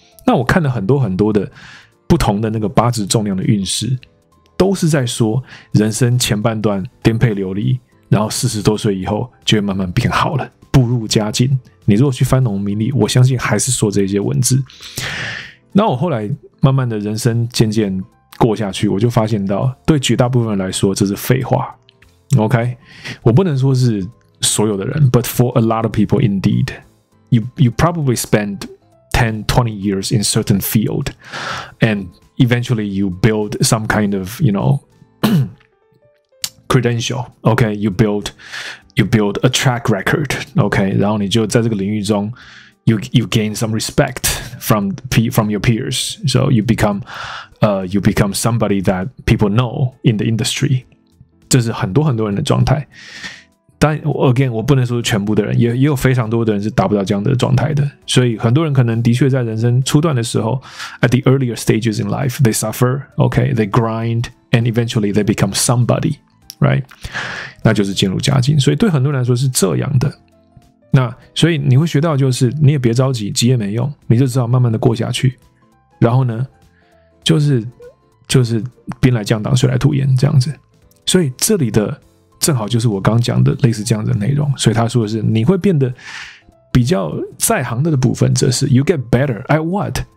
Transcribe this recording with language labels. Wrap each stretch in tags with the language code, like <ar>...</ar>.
<zh>那我看了很多很多的不同的那个八字重量的运势，都是在说人生前半段颠沛流离，然后四十多岁以后就会慢慢变好了，步入佳境。你如果去翻农民历，我相信还是说这些文字。那我后来慢慢的人生渐渐过下去，我就发现到对绝大部分人来说这是废话。</zh> <en>OK，</en> <zh>我不能说是所有的人，</zh> <en>but for a lot of people indeed you probably spend 10-20 years in certain field and eventually you build some kind of you know credential， OK， you build a track record， OK，</en> <zh>然后你就在这个领域中</zh> <en>You gain some respect from your peers, so you become somebody that people know in the industry.</en> <zh>这是很多很多人的状态。但 again， 我不能说全部的人，也有非常多的人是达不到这样的状态的。所以很多人可能的确在人生初段的时候</zh> <en>，at the earlier stages in life, they suffer, okay, they grind, and eventually they become somebody, right?</en> <zh>那就是渐入佳境。所以对很多人来说是这样的。那所以你会学到就是你也别着急，急也没用，你就只好慢慢的过下去，然后呢就是兵来将挡水来土掩这样子。所以这里的正好就是我刚讲的类似这样的内容，所以他说的是你会变得比较在行的部分，则是</zh> <en>You get better at what?</en>